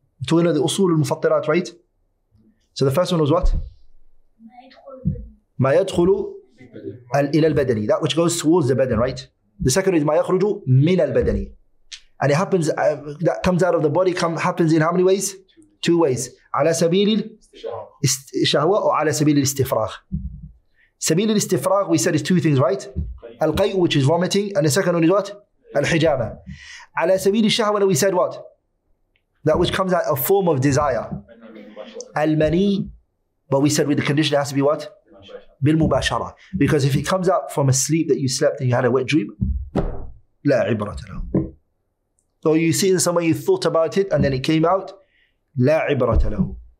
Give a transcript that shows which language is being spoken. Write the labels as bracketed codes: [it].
[en] We're talking about the usul al-mufattirat, right? So the first one was what? [ar] ما يدخل إلى البدن. [en] That which goes towards the badan, right? The second is [ar] ما يخرج من البدن. [en] And it happens, that comes out of the body, happens in how many ways? Two ways. [ar] على سبيل الشهوة [en] or [ar] على سبيل الاستفراغ. سبيل الاستفراغ, [en] we said, is two things, right? القيء, which is vomiting. And the second one is what? الحجامة. [ar] على سبيل الشهوة, [en] we said what? That which comes out a form of desire. المني, but we said with the condition it has to be what? [ar] بالمباشرة. [en] Because if it comes out from a sleep that you slept and you had a wet dream, [ar] لا عبرة له. [en] Or you see in somewhere you thought about it and then it came out, [ar] لا عبرة له.